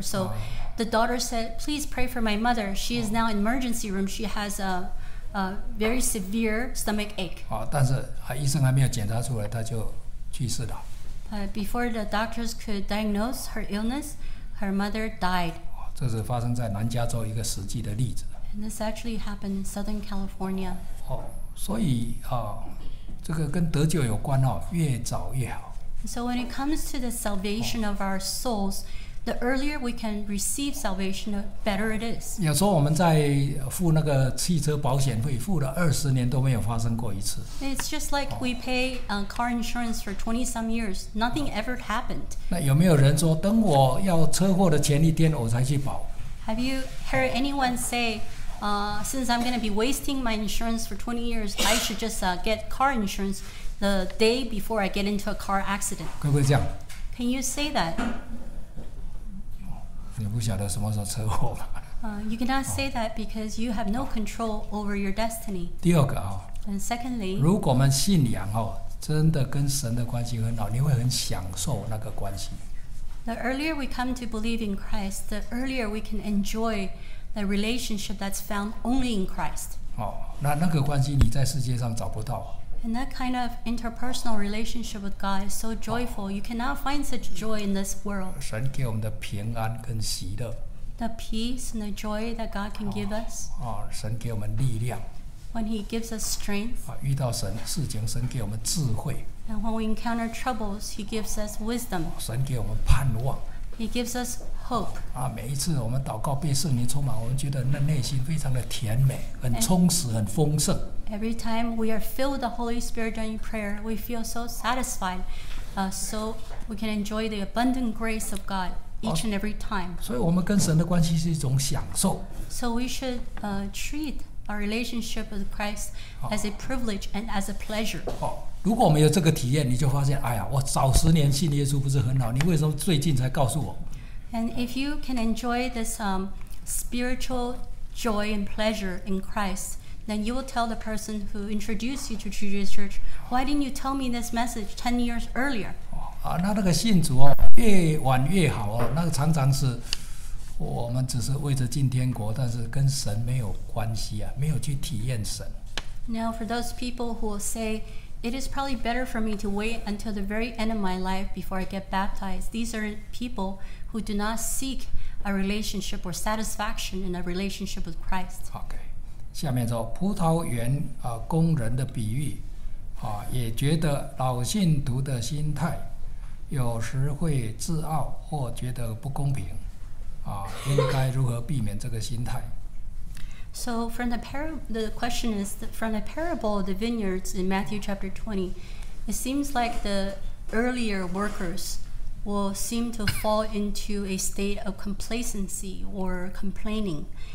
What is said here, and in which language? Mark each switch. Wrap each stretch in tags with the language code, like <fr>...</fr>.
<en>So the daughter said, please pray for my mother. She is now in emergency room. She has a very severe stomach ache.</en> <zh>但是医生还没有检查出来，她就去世了。</zh> <en>Before the doctors could diagnose her illness, her mother died.</en> <zh>这是发生在南加州一个实际的例子。</zh> <en>And this actually happened in Southern California.</en> <zh>所以这个跟得救有关哦，越早越好。</zh> <en>So when it comes to the salvation of our souls, the earlier we can receive salvation, the better it is.</en> <zh>有时候我们在付那个汽车保险费，付了二十年都没有发生过一次。</zh> <en>It's just like we pay car insurance for 20 some years, nothing ever happened.</en> <zh>那有没有人说，等我要车祸的前一天我才去保</zh> <en>？Have you heard anyone say? Since I'm going to be wasting my insurance for 20 years, I should just get car insurance the day before I get into a car accident.</en> <zh>可不可以这样？</zh> <en>Can you say that?</en> <zh>你不晓得什么时候车祸了。</zh> <en>You cannot say that because you have no control over your destiny.</en> <zh>第二个啊。</zh> <en>And secondly,</en> <zh>如果我们信仰哦，真的跟神的关系很好，你会很享受那个关系。</zh> <en>The earlier we come to believe in Christ, the earlier we can enjoy. A relationship that's found only in Christ.</en> <zh>那个关系你在世界上找不到。</zh> <en>And that kind of interpersonal relationship with God is so joyful. You cannot find such joy in this world.</en> <zh>神给我们的平安跟喜乐。</zh> <en>The peace and the joy that God can give us.</en> <zh>神给我们力量。</zh> <en>When He gives us strength.</en> <zh>遇到神事情，神给我们智慧。</zh> <en>And when we encounter troubles, He gives us wisdom.</en> <zh>神给我们盼望。</zh> <en>He gives us hope.</en> <zh>每一次我们祷告被圣灵充满，我们觉得那内心非常的甜美，很充实，很丰盛。</zh> <en>Every time we are filled with the Holy Spirit during prayer, we feel so satisfied, so we can enjoy the abundant grace of God each and every time.</en> <zh>所以我们跟神的关系是一种享受。</zh> <en>So we should treat our relationship with Christ as a privilege and as a pleasure.</en> <zh>如果我们有这个体验，你就发现，哎呀，我早十年信耶稣不是很好？你为什么最近才告诉我</zh> <en>？And if you can enjoy this spiritual joy and pleasure in Christ, then you will tell the person who introduced you to Jesus Church, why didn't you tell me this message 10 years earlier?</en> <zh>那个信主哦，越晚越好哦。那个常常是我们只是为着进天国，但是跟神没有关系啊，没有去体验神。</zh> <en>Now for those people who will say It is probably better for me to wait until the very end of my life before I get baptized. These are people who do not seek a relationship or satisfaction in a relationship with Christ. Okay.</en> <zh>下面说葡萄园工人的比喻也觉得老信徒的心态有时会自傲或觉得不公平应该如何避免这个心态</zh> <en>So from the parable of the vineyards in Matthew chapter 20, it seems like the earlier workers will seem to fall into a state of complacency or complaining.</en>